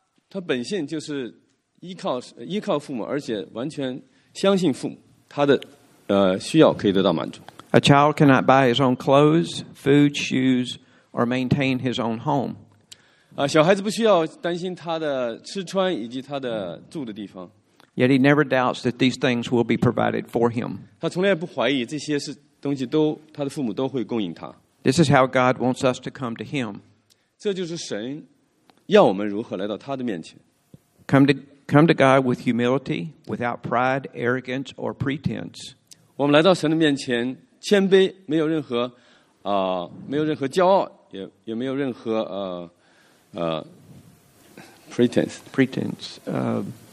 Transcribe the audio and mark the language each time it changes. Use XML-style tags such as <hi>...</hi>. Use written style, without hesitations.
<zh>他本性就是依靠父母，而且完全相信父母，他的需要可以得到满足。</zh> <en>A child cannot buy his own clothes, food, shoes, or maintain his own home.</en> <zh>小孩子不需要担心他的吃穿以及他的住的地方。</zh> <en>Yet he never doubts that these things will be provided for him.</en> <zh>他从来不怀疑这些是东西都他的父母都会供应他。</zh> <en>This is how God wants us to come to him.</en> <zh>这就是神要我们如何来到他的面前。</zh> <en>Come to God with humility, without pride, arrogance, or pretense.</en> <zh>我们来到神的面前，谦卑，没有任何没有任何骄傲，也没有任何pretense.</zh>